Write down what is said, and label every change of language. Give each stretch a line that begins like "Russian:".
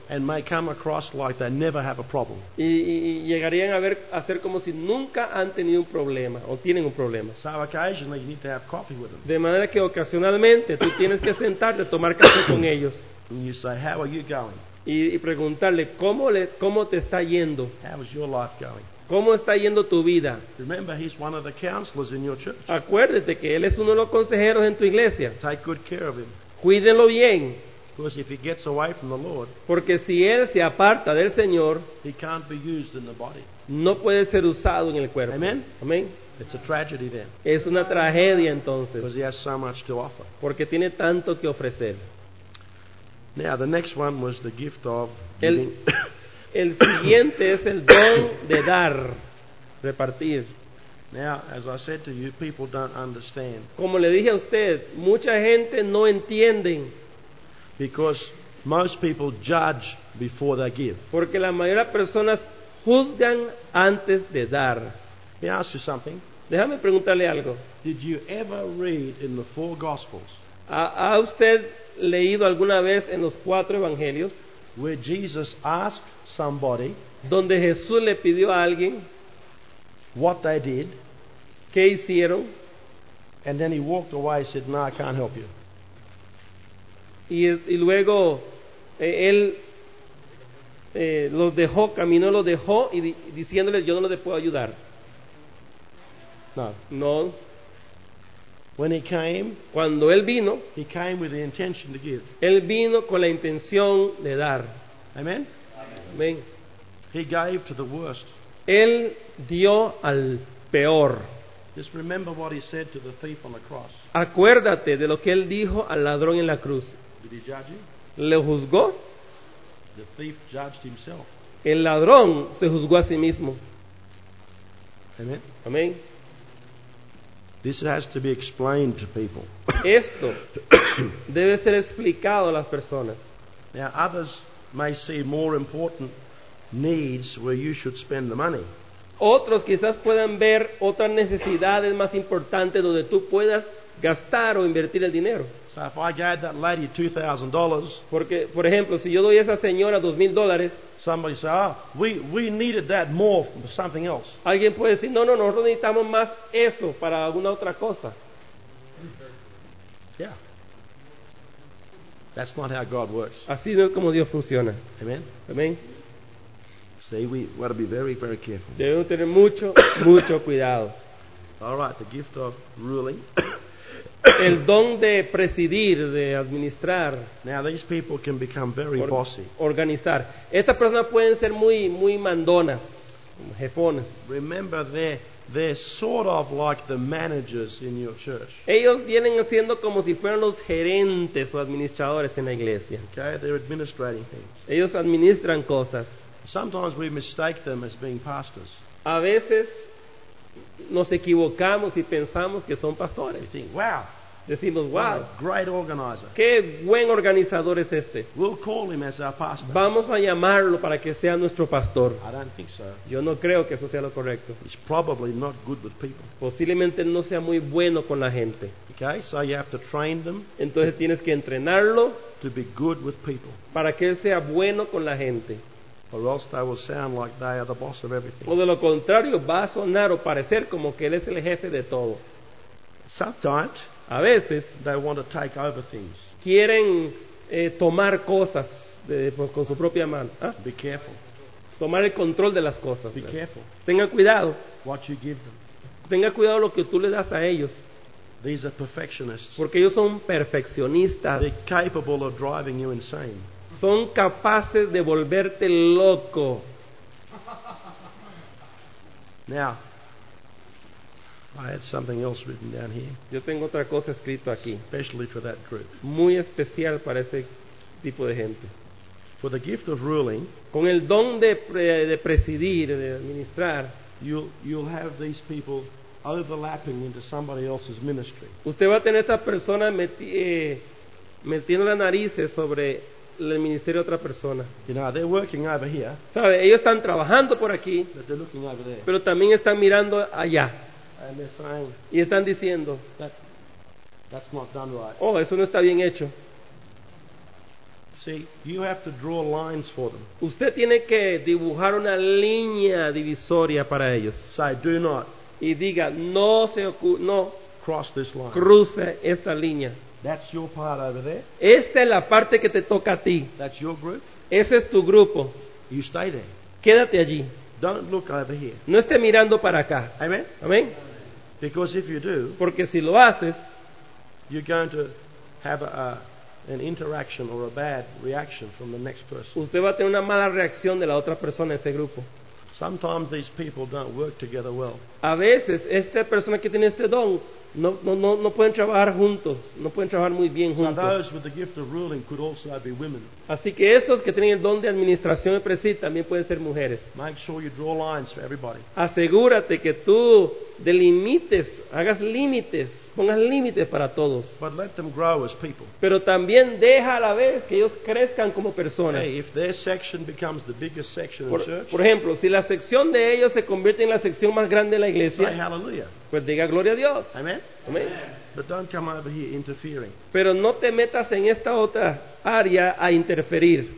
English: And may come across like they never have a problem.
Spanish: Y llegarían a ser como si nunca han tenido un problema o tienen un problema.
English: So occasionally you need to have coffee with them.
Spanish: De manera que ocasionalmente tú tienes que sentarte a tomar café con ellos.
English: And you say, how are you going?
Spanish: Y preguntarle cómo te está yendo.
English: How is your life going?
Spanish: ¿Cómo está yendo tu vida?
English: Remember, he's one of the counselors in your church.
Spanish: Acuérdate que él es uno de los consejeros en tu iglesia.
English: Take good care of him.
Spanish: Cuídenlo bien.
English: Because if he gets away from the Lord,
Spanish: porque si él se aparta del Señor,
English: he can't be used in the body.
Spanish: No puede ser usado en el cuerpo.
English: Amen.
Spanish: Amen.
English: It's a tragedy then.
Spanish: Es una tragedia entonces.
English: Because he has so much to offer.
Spanish: Porque tiene tanto que ofrecer.
English: Now the next one was the gift of giving.
Spanish: El siguiente es el don de dar, repartir.
English: Now, as I said to you, people don't understand.
Spanish: Como le dije a usted, mucha gente no entiende.
English: Because most people judge before they give.
Spanish: Porque la mayoría de personas juzgan antes de dar.
English: Let me ask you something.
Spanish: Déjame preguntarle algo.
English: Did you ever read in the four Gospels?
Spanish: ¿Ha usted leído alguna vez en los cuatro evangelios?
English: Where Jesus asked somebody,
Spanish: donde Jesús le pidió a alguien,
English: what they did,
Spanish: qué hicieron,
English: and then he walked away and said, "No, I can't help you."
Spanish: Y luego él los dejó, caminó, los dejó y diciéndoles, "Yo no les puedo ayudar."
English: No. When he came,
Spanish: cuando él vino,
English: he came with the intention to give.
Spanish: Él vino con la intención de dar.
English: Amen.
Spanish: Amen.
English: He gave to the worst.
Spanish: Él dio al peor.
English: Just remember what he said to the thief on the cross.
Spanish: Acuérdate de lo que él dijo al ladrón en la cruz.
English: Did he judge him?
Spanish: ¿Le juzgó?
English: The thief judged himself.
Spanish: El ladrón se juzgó a sí mismo.
English: Amen.
Spanish: Amen.
English: This has to be explained to people.
Spanish: Esto debe ser explicado a las personas.
English: Now others may see more important needs where you should spend the money.
Spanish: Otros quizás puedan ver otras necesidades más importantes donde tú puedas gastar o invertir el dinero.
English: So if I gave that lady $2,000,
Spanish: porque por ejemplo, si yo doy a esa señora $2,000,
English: somebody say, we needed that more for something else.
Spanish: Alguien puede decir, no, nosotros necesitamos más eso para alguna otra cosa.
English: Yeah. That's not how God works.
Spanish: Así no es como Dios funciona.
English: Amen.
Spanish: Amen.
English: See, we got to be very, very careful.
Spanish: Debemos tener mucho, mucho cuidado.
English: All right, the gift of ruling.
Spanish: El don de presidir, de administrar.
English: Now these people can become very bossy.
Spanish: Organizar. Estas personas pueden ser muy, muy mandonas, jefones.
English: Remember, they're sort of like the managers in your church.
Spanish: Ellos vienen siendo como si fueran los gerentes o administradores en la iglesia.
English: Okay, they're administrating things.
Spanish: Ellos administran cosas.
English: Sometimes we mistake them as being pastors.
Spanish: A veces nos equivocamos y pensamos que son pastores.
English: You think, wow,
Spanish: decimos, wow,
English: what a great organizer.
Spanish: Qué buen organizador es este.
English: We'll call him as our pastor.
Spanish: Vamos a llamarlo para que sea nuestro pastor.
English: I don't think so.
Spanish: Yo no creo que eso sea lo correcto.
English: He's probably not good with people.
Spanish: Posiblemente no sea muy bueno con la gente.
English: Okay, so you have to train them.
Spanish: Entonces tienes que entrenarlo
English: to be good with people.
Spanish: Para que él sea bueno con la gente.
English: Or else they will sound like they are the boss of everything.
Spanish: O de lo contrario, va a sonar o parecer como que él es el jefe de todo.
English: Sometimes,
Spanish: a veces,
English: they want to take over things.
Spanish: Quieren tomar cosas con su propia mano. ¿Eh?
English: Be careful.
Spanish: Tomar el control de las cosas.
English: Be careful.
Spanish: Tenga cuidado.
English: What you give them.
Spanish: Tenga cuidado lo que tú le das a ellos.
English: These are perfectionists.
Spanish: Porque ellos son perfeccionistas.
English: They're capable of driving you insane.
Spanish: Son capaces de volverte loco.
English: Now, I had something else written down here.
Spanish: Yo tengo otra cosa escrito aquí.
English: Especially for that group.
Spanish: Muy especial para ese tipo de gente.
English: For the gift of ruling,
Spanish: con el don de presidir, de administrar,
English: you'll have these people overlapping into somebody else's ministry.
Spanish: Usted va a tener a esta persona metiendo las narices sobre el ministerio de otra persona.
English: You know, they're working over here,
Spanish: ¿sabe? Ellos están trabajando por aquí,
English: but they're looking over there.
Spanish: Pero también están mirando allá.
English: And they're saying,
Spanish: y están diciendo,
English: that's not done right.
Spanish: Oh, eso no está bien hecho.
English: See, you have to draw lines for them.
Spanish: Usted tiene que dibujar una línea divisoria para ellos.
English: Say, do not.
Spanish: Y diga, no se no.
English: Cross this line.
Spanish: Cruce esta línea.
English: That's your part over there.
Spanish: Esta es la parte que te toca a ti.
English: That's your group.
Spanish: Ese es tu grupo.
English: You stay there.
Spanish: Quédate allí.
English: Don't look over here.
Spanish: No esté mirando para acá.
English: Amen.
Spanish: Amen.
English: Because if you do,
Spanish: porque si lo haces,
English: you're going to have an interaction or a bad reaction from the next person.
Spanish: Usted va a tener una mala reacción de la otra persona en ese grupo.
English: Sometimes these people don't work together well.
Spanish: A veces esta persona que tiene este don no pueden trabajar juntos, no pueden trabajar muy bien juntos.
English: Now those with the gift of ruling could also be women.
Spanish: Así que estos que tienen el don de administración y presidir también pueden ser mujeres.
English: Make sure you draw lines for everybody.
Spanish: Asegúrate que tú delimites, hagas límites, pongas límites para todos.
English: But let them grow as people.
Spanish: Pero también deja a la vez que ellos crezcan como personas.
English: Hey, if their section becomes the biggest section in church,
Spanish: por ejemplo, si la sección de ellos se convierte en la sección más grande de la iglesia,
English: say hallelujah.
Spanish: Pues diga gloria a Dios.
English: Amen.
Spanish: Amen.
English: But don't come over here interfering.
Spanish: Pero no te metas en esta otra área a interferir.